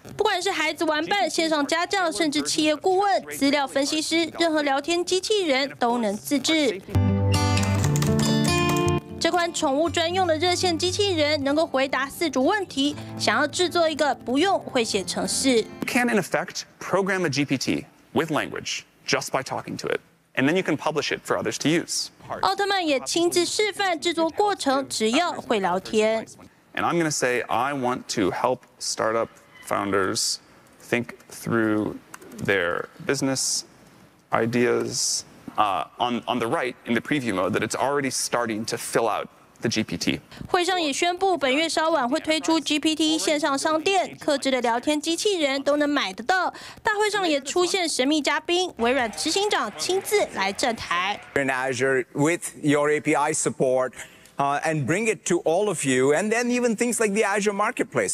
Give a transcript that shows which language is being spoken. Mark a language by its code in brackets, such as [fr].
[zh] 不管是孩子玩伴、线上家教，甚至企业顾问、资料分析师，任何聊天机器人都能自制。这款宠物专用的热线机器人能够回答饲主问题，想要制作一个不用会写程式。 [en] You can in effect program a GPT with language just by talking to it, and then you can publish it for others to use. [zh] 奥特曼也亲自示范制作过程，只要会聊天。 [en] And I'm going to say I want to help startupFounders think through their business ideas. On the right, in the preview mode, that it's already starting to fill out the GPT. [zh] 会上也宣布，本月稍晚会推出 GPT 线上商店，客制的聊天机器人都能买得到。大会上也出现神秘嘉宾，微软执行长亲自来站台。 [en] In Azure, with your API support. And bring it to all of you, and then even things like the Azure Marketplace.